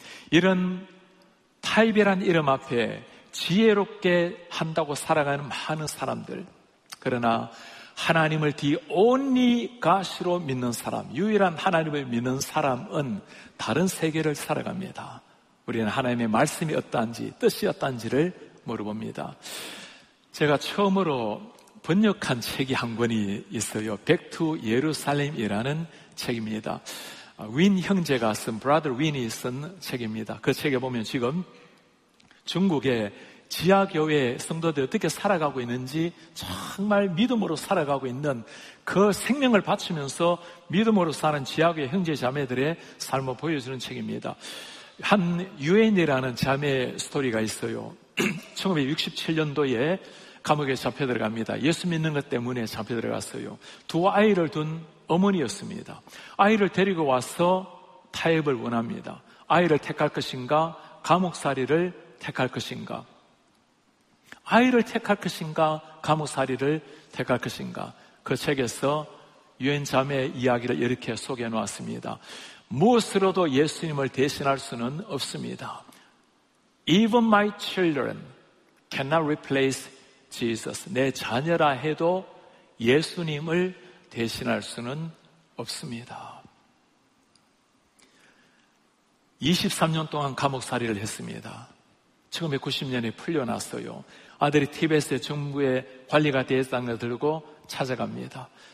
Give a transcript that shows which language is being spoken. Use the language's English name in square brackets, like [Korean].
[Korean] 이런 타협이란 이름 앞에 지혜롭게 한다고 살아가는 많은 사람들, 그러나 하나님을 [English] the only God로 [Korean] 믿는 사람, 유일한 하나님을 믿는 사람은 다른 세계를 살아갑니다. 우리는 하나님의 말씀이 어떠한지 뜻이 어떠한지를 물어봅니다. 제가 처음으로 번역한 책이 한 권이 있어요. Back to Jerusalem이라는 책입니다. 윈 형제가 쓴, Brother Win이 쓴 책입니다. 그 책에 보면 지금 중국의 지하교회 성도들이 어떻게 살아가고 있는지, 정말 믿음으로 살아가고 있는, 그 생명을 바치면서 믿음으로 사는 지하교회 형제 자매들의 삶을 보여주는 책입니다. 한 유엔이라는 자매 스토리가 있어요. 1967년도에 감옥에 잡혀 들어갑니다. 예수 믿는 것 때문에 잡혀 들어갔어요. 두 아이를 둔 어머니였습니다. 아이를 데리고 와서 타협을 원합니다. 아이를 택할 것인가? 감옥살이를 택할 것인가? 아이를 택할 것인가? 감옥살이를 택할 것인가? 그 책에서 유엔 자매의 이야기를 이렇게 소개해 놓았습니다. 무엇으로도 예수님을 대신할 수는 없습니다. [English] Even my children cannot replace Jesus. [Korean] 내 자녀라 해도 예수님을 대신할 수는 없습니다. 23년 동안 감옥살이를 했습니다. 1990년에 풀려났어요. 아들이 티베트 정부의 관리가 대상을 들고 찾아갑니다.